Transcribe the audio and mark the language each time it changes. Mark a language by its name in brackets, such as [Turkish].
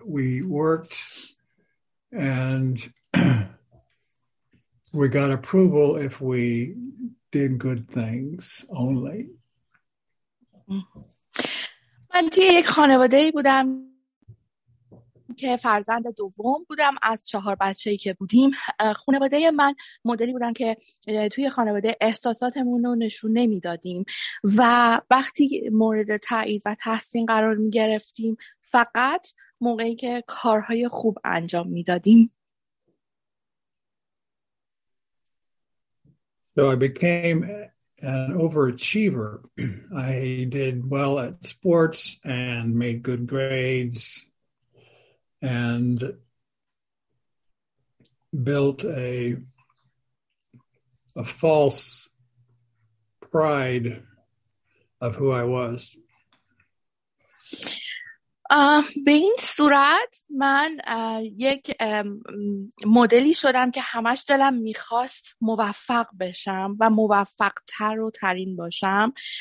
[English] We worked and we got approval if we did good things only. [Persian] من توی یک خانواده‌ای بودم که فرزند دوم بودم از چهار بچه‌ای که بودیم. خانواده من مدلی بودن که توی خانواده احساساتمون رو نشون نمی‌دادیم و وقتی مورد تایید و تحسین قرار می‌گرفتیم فقط موقعی که کارهای خوب انجام می‌دادیم. [English] So I became an overachiever. I did well at sports and made good grades and built a false pride of who I was. [Persian] به این صورت من یک مدلی شدم که همش دلم میخواست موفق بشم و موفق تر و ترین باشم.